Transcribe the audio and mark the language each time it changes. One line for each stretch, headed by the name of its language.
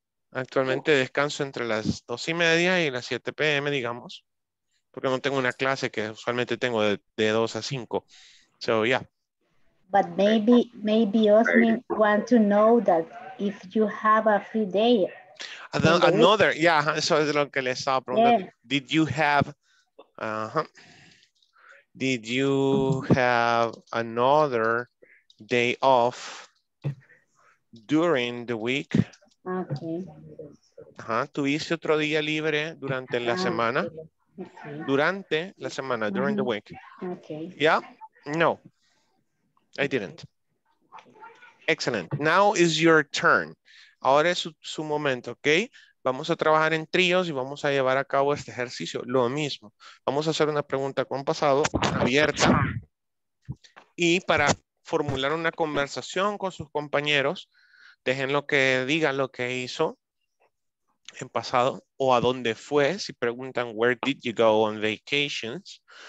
Spanish: Actualmente descanso entre las 2:30 y las 7 p.m., digamos, porque no tengo una clase que usualmente tengo de 2 a 5.
English: So, yeah. But maybe Osmin want to know that if you have a free day. Another, yeah,
Spanish: eso es lo que le estaba preguntando.
English: Yeah. Did you have, did you have another day off during the week? Okay.
Spanish: ¿Tuviste otro día libre durante la semana? Durante la semana,
English: during the week. Okay. Yeah? No, I didn't. Excellent. Now is your turn.
Spanish: Ahora es su momento, ¿ok? Vamos a trabajar en tríos y vamos a llevar a cabo este ejercicio. Lo mismo. Vamos a hacer una pregunta con pasado abierta. Y para formular una conversación con sus compañeros, dejen lo que diga lo que hizo en pasado o a dónde fue. Si preguntan,
English: where did you go on vacations?